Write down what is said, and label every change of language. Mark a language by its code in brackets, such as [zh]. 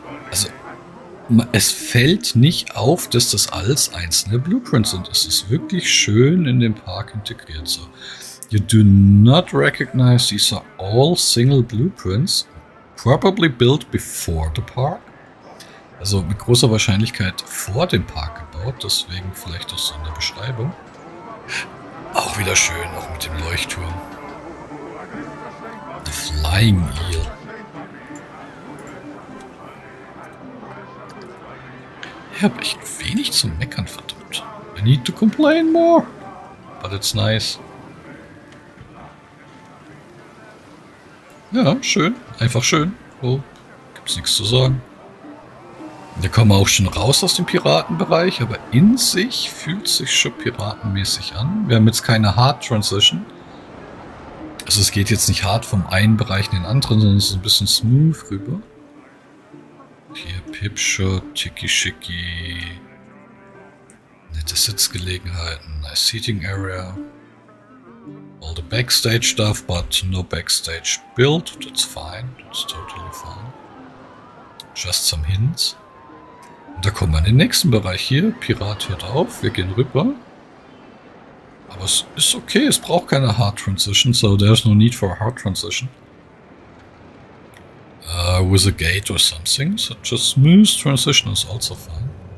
[de] Also, es fällt nicht auf, dass das alles einzelne Blueprints sind. Es ist wirklich schön in den Park integriert. So. [en] You do not recognize these are all single blueprints, probably built before the park. [de] Also mit großer Wahrscheinlichkeit vor dem Park gebaut, deswegen vielleicht auch so eine Beschreibung. Auch wieder schön, auch mit dem Leuchtturm. The Flying Eel. Ich habe echt wenig zu meckern, verdammt. [en] I need to complain more. But it's nice. [de] Ja, schön. Einfach schön. Oh, gibt's nichts zu sagen. Wir kommen auch schon raus aus dem Piratenbereich, aber in sich fühlt sich schon piratenmäßig an. Wir haben jetzt keine Hard Transition. Also es geht jetzt nicht hart vom einen Bereich in den anderen, sondern es ist ein bisschen smooth rüber. Hier Pipshot, Tiki Shiki. Nette Sitzgelegenheiten, [en] nice seating area. All the backstage stuff, but no backstage build. That's fine. That's totally fine. Just some hints. [de] Und da kommen wir in den nächsten Bereich hier. Pirat hört auf. Wir gehen rüber. Aber es ist okay. Es braucht keine Hard Transition. [en] So there's no need for a Hard Transition. With a gate or something. Such a smooth transition is also fine.